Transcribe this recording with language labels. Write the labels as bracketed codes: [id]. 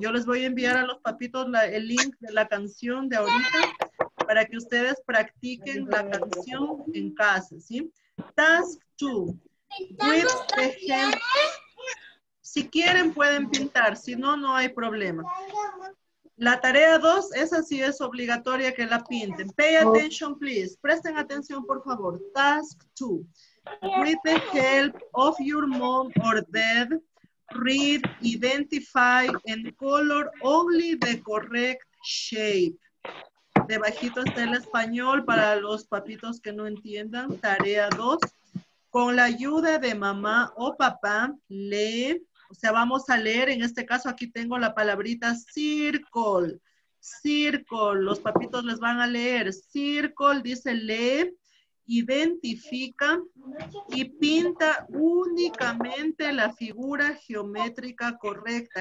[es] Yo les voy a enviar a los papitos el link de la canción de ahorita para que ustedes practiquen la canción en casa, ¿sí? [en] Task 2. With the help. [es] Si quieren pueden pintar, si no, no hay problema. La tarea 2, esa sí es obligatoria que la pinten. [en] Pay attention, please. [es] Presten atención, por favor. [en] Task 2. With the help of your mom or dad, read, identify, and color only the correct shape. [es] Debajito está el español para los papitos que no entiendan. Tarea 2. Con la ayuda de mamá o papá, lee. O sea, vamos a leer. En este caso, aquí tengo la palabrita circle. Circle. Los papitos les van a leer. Circle dice lee, identifica y pinta únicamente la figura geométrica correcta.